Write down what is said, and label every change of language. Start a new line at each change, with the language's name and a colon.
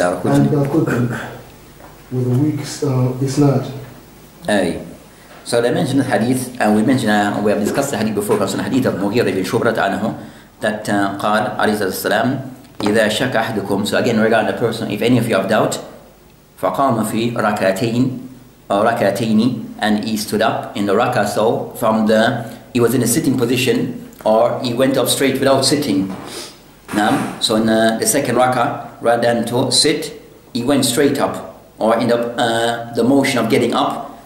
English: and Al-Qutn, with a weak isnad. So they mentioned the hadith, and we mentioned we have discussed the hadith before. Because the hadith of Mughira ibn Shu'bah anhu.
Arabic: That قال عليه الصلاة والسلام إذا شك أحدكم.
English: So again, regarding the person, if any of you have doubt,
Arabic: فقام في ركعتين أو ركعتين,
English: and he stood up in the rak'ah. So from the, he was in a sitting position, or he went up straight without sitting. Now, so in the second rak'ah, rather than to sit, he went straight up, or in the motion of getting up.